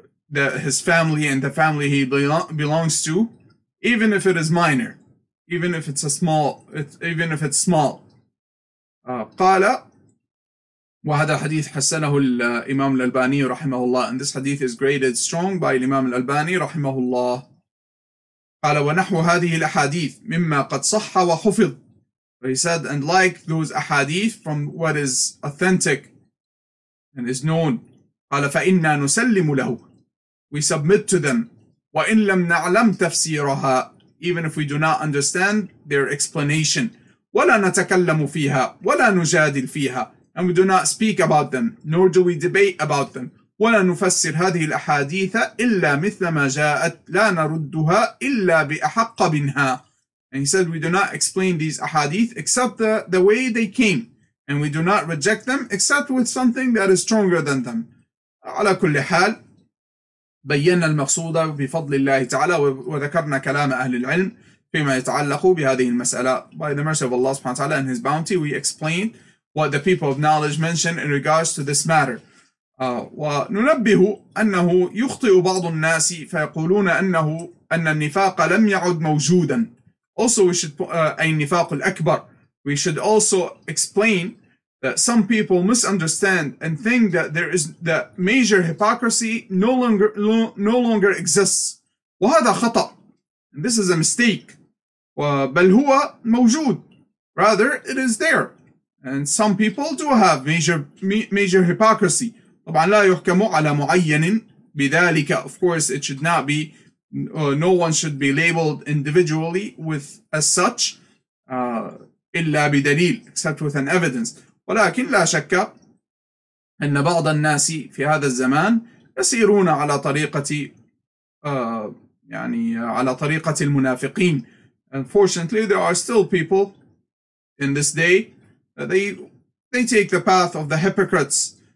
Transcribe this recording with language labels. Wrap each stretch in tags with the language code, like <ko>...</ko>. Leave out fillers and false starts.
<en>that his family and the family he belongs to, even if it is minor, even if it's a small, even if it's small.</en> <ar>قال وهذا حديث حسنه الإمام الألباني رحمه الله.</ar> <en>And this hadith is graded strong by</en> <ar>الإمام الألباني رحمه الله. قال ونحو هذه الأحاديث مما قد صح وحفظ.</ar> <en>He said, and like those ahadith from what is authentic and is known.</en> <ar>قال فإنا نسلم له.</ar> <en>We submit to them.</en> <ar>وإن لم نعلم تفسيرها.</ar> <en>Even if we do not understand their explanation.</en> <ar>ولا نتكلم فيها. ولا نجادل فيها.</ar> <en>And we do not speak about them. Nor do we debate about them.</en> <ar>ولا نفسر هذه الأحاديث إلا مثل ما جاءت. لا نردها إلا بأحق منها.</ar> <en>And he said, we do not explain these ahadith except the way they came. And we do not reject them except with something that is stronger than them.</en> <ar>على كل حال, بينا المقصود بفضل الله تعالى وذكرنا كلام أهل العلم فيما يتعلق بهذه المسألة.</ar> <en>By the mercy of Allah subhanahu wa ta'ala and his bounty, we explained what the people of knowledge mentioned in regards to this matter.</en> <ar>وننبه أنه يخطئ بعض الناس فيقولون أنه أن النفاق لم يعد موجودا.</ar> <en>Also, we should</en> <ar>النفاق الأكبر.</ar> <en>We should also explain that some people misunderstand and think that there is that major hypocrisy no longer exists.</en> <ar>وهذا خطأ.</ar> <en>And this is a mistake.</en> <ar>بل هو موجود.</ar> <en>Rather, it is there. And some people do have major hypocrisy.</en> <ar>طبعا لا يحكم على معين بذلك.</ar> <en>Of course, it should not be. No one should be labeled individually with as such</en> <ar>إلا بدليل,</ar> <en>except with an evidence.</en> <ar>ولكن لا شك أن بعض الناس في هذا الزمان يسيرون على طريقة يعني على طريقة المنافقين.</ar> <en>Unfortunately, there are still people in this day that they take the path of the hypocrites.</en>